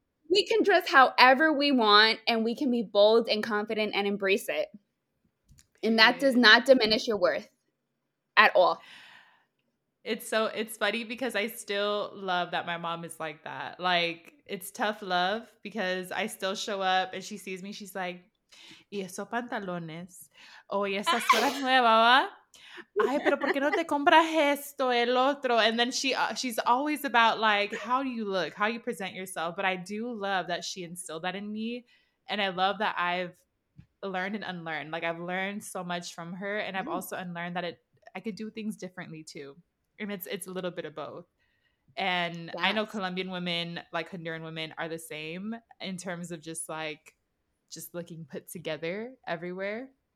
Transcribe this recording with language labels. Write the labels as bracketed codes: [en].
[en] We can dress however we want, and we can be bold and confident and embrace it. And that does not diminish your worth at all. It's funny, because I still love that my mom is like that. Like, it's tough love, because I still show up and she sees me. [es] She's like, ¿y esos pantalones? ¿O esas horas nuevas? Ay, pero ¿por qué no te compras esto, el otro? [en] And then she's always about, like, how do you look, how you present yourself. But I do love that she instilled that in me, and I love that I've learned and unlearned. Like, I've learned so much from her, and I've also unlearned that I could do things differently too. And it's a little bit of both. And yes. I know Colombian women, like Honduran women, are the same in terms of just looking put together everywhere.